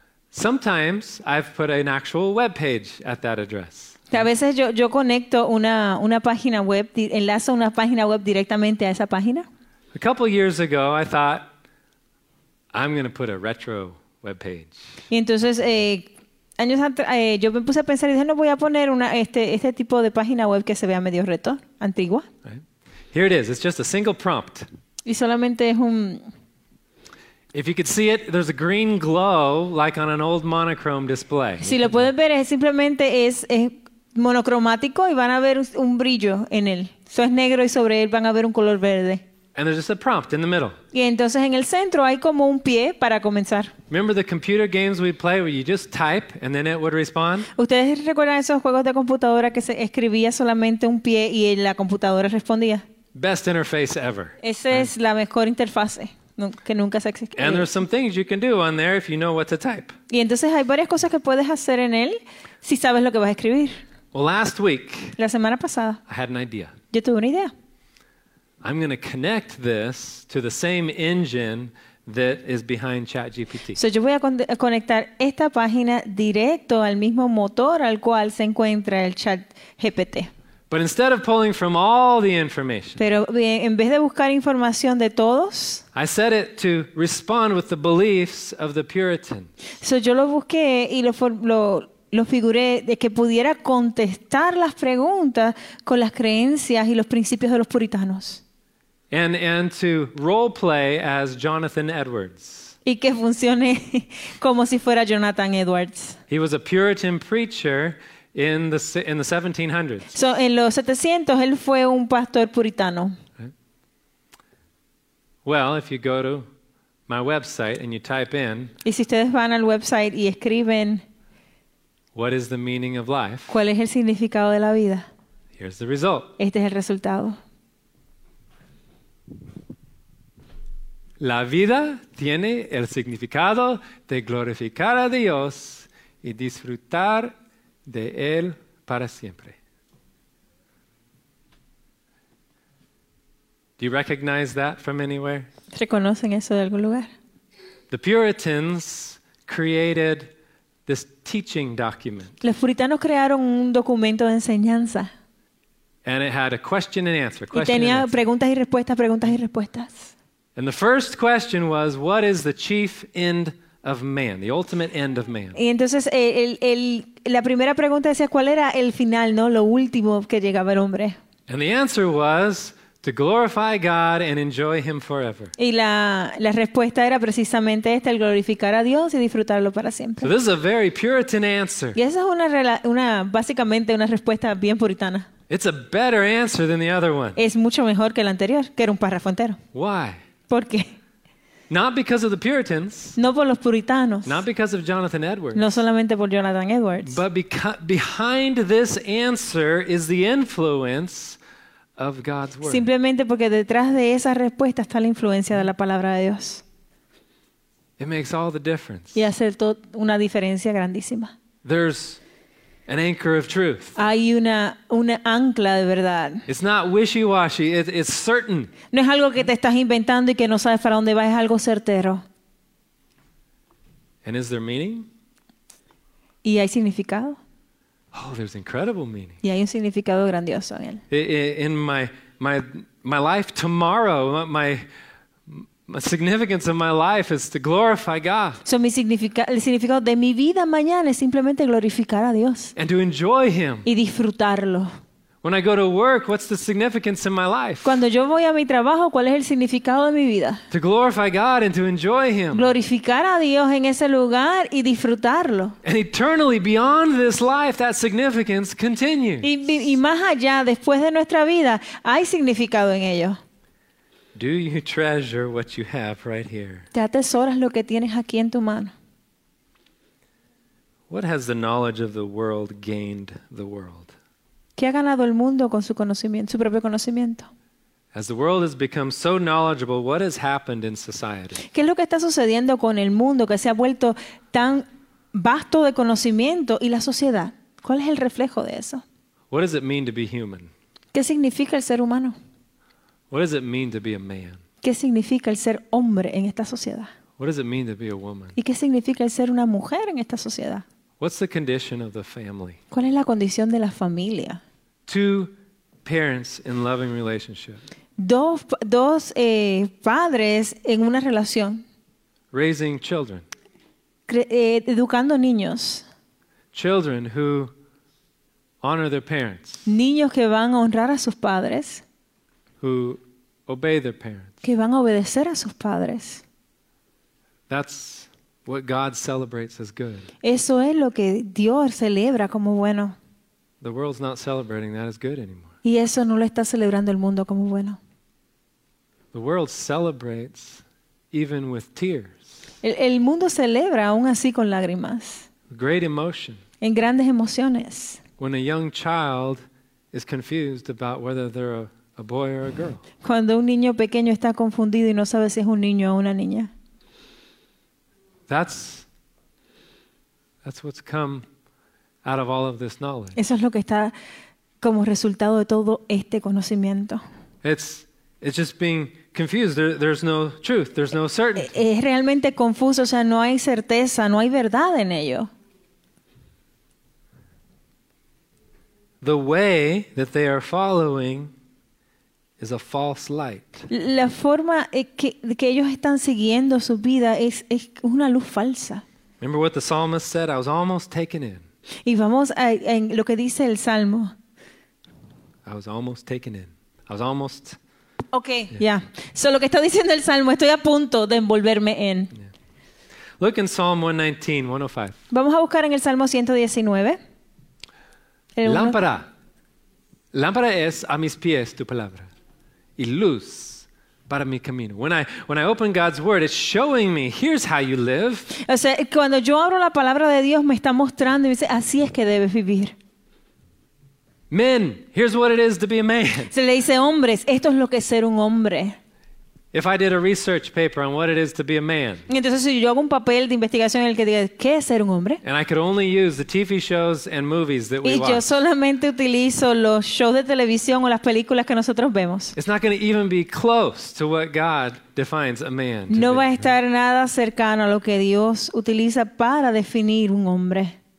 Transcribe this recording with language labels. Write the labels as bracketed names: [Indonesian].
[English] Sometimes I've put an actual web page at that address. [Spanish] A veces yo conecto una página web, enlazo una página web directamente a esa página. [English] A couple years ago, I thought I'm going to put a retro web page. [Spanish] Y entonces años atrás yo me puse a pensar y dije, no voy a poner este tipo de página web que se vea medio retro, antigua. [English] Here it is. It's just a single prompt. [Spanish] Y solamente es un. [English] If you could see it, there's a green glow like on an old monochrome display. [Spanish] Si lo pueden ver, es simplemente monocromático y van a ver un brillo en él. Eso es negro y sobre él van a ver un color verde. [English] And there's just a prompt in the middle. [Spanish] Y entonces en el centro hay como un pie para comenzar. [English] Remember the computer games we play where you just type and then it would respond? [Spanish] ¿Ustedes recuerdan esos juegos de computadora que se escribía solamente un pie y la computadora respondía? [English] Best interface ever. [Spanish] Esa es la mejor interfase. Que nunca se existe. [English] And there's some things you can do on there if you know what to type. [Spanish] Y entonces hay varias cosas que puedes hacer en él si sabes lo que vas a escribir. [English] Well, last week, [Spanish] la semana pasada, [English] I had an idea. [Spanish] Yo tuve una idea. [English] I'm going to connect this to the same engine that is behind ChatGPT. [Spanish] So yo voy a conectar esta página directo al mismo motor al cual se encuentra el ChatGPT. [English] But instead of pulling from all the information, [Spanish] pero en vez de buscar información de todos, [English] I set it to respond with the beliefs of the Puritans. [Spanish] So yo lo busqué y lo figuré de que pudiera contestar las preguntas con las creencias y los principios de los puritanos. [English] And to role play as Jonathan Edwards. [Spanish] Y que funcione como si fuera Jonathan Edwards. [English] He was a Puritan preacher. In the 1700s. [Spanish] So en los 700 él fue un pastor puritano. [English] Well, if you go to my website and you type in. [Spanish] Y si ustedes van al website y escriben. [English] What is the meaning of life? [Spanish] ¿Cuál es el significado de la vida? [English] Here's the result. [Spanish] Este es el resultado. La vida tiene el significado de glorificar a Dios y disfrutar de él para siempre. [English] Do you recognize that from anywhere? [Spanish] ¿Reconocen eso de algún lugar? [English] The Puritans created this teaching document. [Spanish] Los puritanos crearon un documento de enseñanza. [English] And it had a question and answer. [Spanish] Y tenía preguntas y respuestas, preguntas y respuestas. [English] And the first question was, what is the chief end of man, the ultimate end of man? [Spanish] Y entonces la primera pregunta decía cuál era el final, ¿no? Lo último que llegaba el hombre. [English] And the answer was to glorify God and enjoy him forever. [Spanish] Y la respuesta era precisamente esta, el glorificar a Dios y disfrutarlo para siempre. [English] So this is a very Puritan answer. [Spanish] Y esa es una respuesta bien puritana. [English] It's a better answer than the other one. [Spanish] Es mucho mejor que el anterior, que era un párrafo entero. [English] Why? [Spanish] ¿Por qué? [English] Not because of the Puritans. [Spanish] No por los puritanos. [English] Not because of Jonathan Edwards. [Spanish] No solamente por Jonathan Edwards. [English] But behind this answer is the influence of God's word. [Spanish] Simplemente porque detrás de esa respuesta está la influencia de la palabra de Dios. [English] It makes all the difference. [Spanish] Y hace una diferencia grandísima. [English] There's an anchor of truth. [Spanish] Hay una ancla de verdad. [English] It's not wishy-washy, it's certain. [Spanish] No es algo que te estás inventando y que no sabes para dónde vas, es algo certero. [English] And is there meaning? [Spanish] ¿Y hay significado? [English] Oh, there's incredible meaning. [Spanish] Y hay un significado grandioso en él. [English] In my life tomorrow, my significance of my life is to glorify God. [Spanish] So mi el significado de mi vida mañana es simplemente glorificar a Dios. [English] And to enjoy Him. [Spanish] Y disfrutarlo. [English] When I go to work, what's the significance in my life? [Spanish] Cuando yo voy a mi trabajo, ¿cuál es el significado de mi vida? [English] To glorify God and to enjoy Him. [Spanish] Glorificar a Dios en ese lugar y disfrutarlo. [English] And eternally beyond this life, that significance continues. [Spanish] Y más allá, después de nuestra vida, hay significado en ello. [English] Do you treasure what you have right here? [Spanish] ¿Te atesoras lo que tienes aquí en tu mano? [English] What has the knowledge of the world gained the world? [Spanish] ¿Qué ha ganado el mundo con su conocimiento, su propio conocimiento? [English] As the world has become so knowledgeable, what has happened in society? [Spanish] ¿Qué es lo que está sucediendo con el mundo que se ha vuelto tan vasto de conocimiento y la sociedad? ¿Cuál es el reflejo de eso? [English] What does it mean to be human? [Spanish] ¿Qué significa el ser humano? [English] What does it mean to be a man? [Spanish] ¿Qué significa el ser hombre en esta sociedad? [English] What does it mean to be a woman? [Spanish] ¿Y qué significa el ser una mujer en esta sociedad? [English] What's the condition of the family? [Spanish] ¿Cuál es la condición de la familia? [English] Two parents in loving relationship. [Spanish] Dos padres en una relación. [English] Raising children. [Spanish] Educando niños. [English] Children who honor their parents. [Spanish] Niños que van a honrar a sus padres. [English] Who obey their parents. [Spanish] Que van a obedecer a sus padres. [English] That's what God celebrates as good. [Spanish] Eso es lo que Dios celebra como bueno. [English] The world's not celebrating that as good anymore. [Spanish] Y eso no lo está celebrando el mundo como bueno. [English] The world celebrates even with tears. [Spanish] El mundo celebra aún así con lágrimas. [English] Great emotion. [Spanish] En grandes emociones. [English] When a young child is confused about whether they're a boy or a girl. [Spanish] Cuando un niño pequeño está confundido y no sabe si es un niño o una niña. [English] That's what's come out of all of this knowledge. [Spanish] Eso es lo que está como resultado de todo este conocimiento. [English] It's just being confused. There's no truth. There's no certainty. [Spanish] Es realmente confuso, o sea, no hay certeza, no hay verdad en ello. [English] The way that they are following is a false light. [Spanish] La forma que ellos están siguiendo su vida es una luz falsa. [English] Remember what the psalmist said, I was almost taken in. [Spanish] Y vamos a lo que dice el salmo. [English] I was almost taken in. I was almost. Okay, yeah. [Spanish] So lo que está diciendo el salmo, estoy a punto de envolverme en. [English] Yeah. Look in Psalm 119, 105. [Spanish] Vamos a buscar en el Salmo 119. Lámpara. Lámpara es a mis pies tu palabra. Y luz para mi camino. [English] When I open God's word, it's showing me, here's how you live. [Spanish] O sea, cuando yo abro la palabra de Dios, me está mostrando y me dice, así es que debes vivir. [English] Men, here's what it is to be a man. [Spanish] Se le dice, hombres, esto es lo que es ser un hombre. [English] If I did a research paper on what it is to be a man. [Spanish] Entonces si yo hago un papel de investigación en el que diga qué es ser un hombre. [English] And I could only use the TV shows and movies that we watch. [Spanish] Y yo solamente utilizo los shows de televisión o las películas que nosotros vemos. [English] It's not going to even be close to what God defines a man. [Spanish] No va a estar nada cercano a lo que Dios utiliza para definir un hombre.